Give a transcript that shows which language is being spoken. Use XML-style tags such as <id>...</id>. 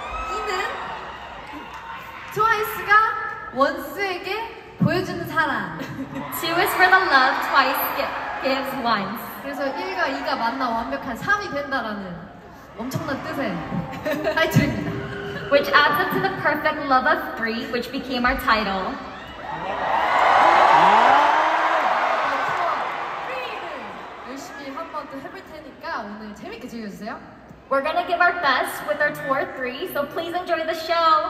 <ko>2는 트와이스가 원스에게 보여주는 사랑.</ko> <en>2 is for the love, twice gives. Gives once.</en> <ko>그래서 1과 2가 만나 완벽한 3이 된다라는 엄청난 뜻의 타이틀입니다.</ko> <en>Which adds up to the perfect love of 3, which became our title.</en> <ko>3를 열심히 한 번 더 해볼 테니까 오늘 재밌게 즐겨주세요.</ko> <en>We're gonna give our best with our tour 3, so please enjoy the show.</en>